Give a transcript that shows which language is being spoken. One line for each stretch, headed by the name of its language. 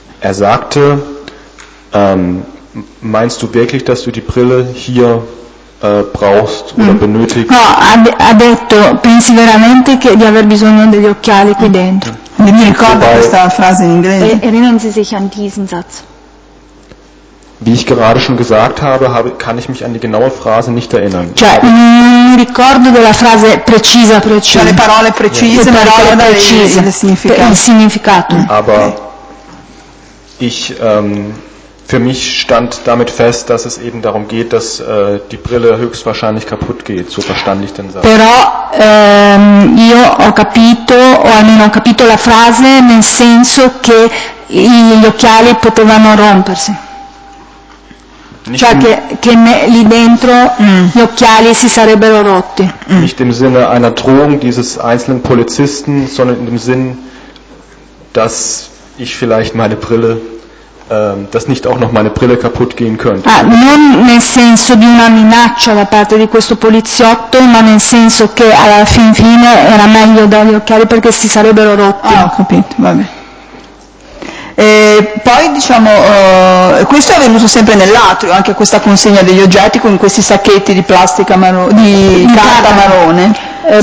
German: Sagte, meinst du wirklich, dass du die Brille hier brauchst oder benötigst?
Italian: No, ha detto, pensi veramente che di aver bisogno degli occhiali qui dentro? Mi ricordo questa frase in inglese.
German: Erinnern Sie sich an diesen Satz? Wie ich gerade schon gesagt habe, kann ich mich an die genaue Phrase nicht erinnern.
Italian: Cioè, non mi ricordo della frase precisa, precisa. Cioè, le parole precise, yeah. Parole precise. Il significato.
German: Aber ich, für mich stand damit fest, dass es eben darum geht, dass die Brille höchstwahrscheinlich kaputt geht, so verstand ich den Satz.
Italian: Però, io ho capito, o almeno ho capito la frase, nel senso che gli occhiali potevano rompersi. Cioè che lì dentro gli occhiali si sarebbero rotti.
German: Nicht im Sinne einer Drohung dieses einzelnen Polizisten, sondern in dem Sinn, dass ich vielleicht meine Brille, dass nicht auch noch meine Brille kaputt gehen könnte.
Italian: Non nel senso di una minaccia da parte di questo poliziotto, ma nel senso che alla fin fine era meglio dare gli occhiali perché si sarebbero rotti. Ah, ho capito, va bene. E poi diciamo questo è avvenuto sempre nell'atrio, anche questa consegna degli oggetti con questi sacchetti di plastica di carta marrone.